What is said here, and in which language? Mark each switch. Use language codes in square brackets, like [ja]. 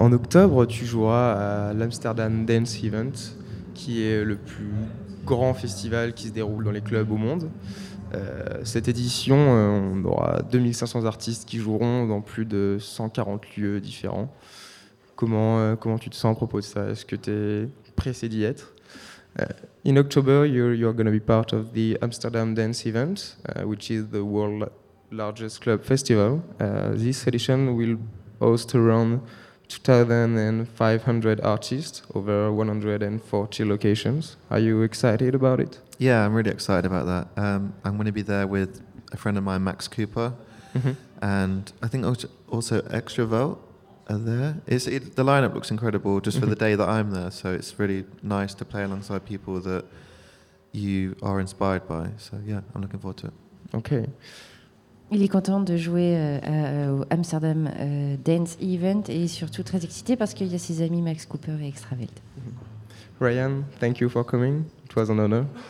[fr] En octobre, tu joueras à l'Amsterdam Dance Event, qui est le plus grand festival qui se déroule dans les clubs au monde. Cette édition, on aura 2500 artistes qui joueront dans plus de 140 lieux différents. Comment tu te sens à propos de ça ? Est-ce que tu es pressé d'y être ? [en] In October, you're going to be part of the Amsterdam Dance Event, which is the world largest club festival. This edition will host around 2,500 artists over 140 locations. Are you excited about it? Yeah, I'm really excited about that. I'm going to be there with a friend of mine, Max Cooper, mm-hmm. and I think also Extravolt. The lineup looks incredible just for the day that I'm there, so it's really nice to play alongside people that you are inspired by. So yeah, I'm looking forward to it. Okay. [fr] Il est content de jouer au Amsterdam Dance Event et surtout très excité parce qu'il y a ses amis Max Cooper et Extravolt. [en] Ryan, thank you for coming. It was an honor.